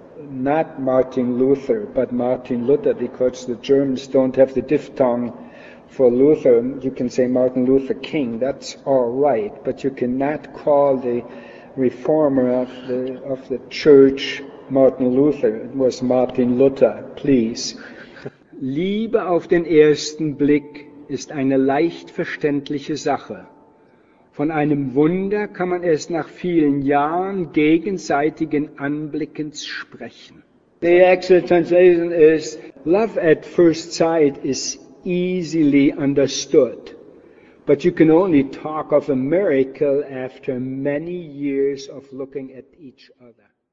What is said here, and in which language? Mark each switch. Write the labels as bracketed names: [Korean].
[English] Not Martin Luther, but Martin Luther, because the Germans don't have the diphthong for Luther. You can say Martin Luther King, that's all right, but you cannot call the reformer of the church Martin Luther. It was Martin Luther, please. [German] Liebe auf den ersten Blick ist eine leicht verständliche Sache. Von einem Wunder kann man erst nach vielen Jahren gegenseitigen Anblickens sprechen. [English] The actual translation is, love at first sight is easily understood, but you can only talk of a miracle after many years of looking at each other.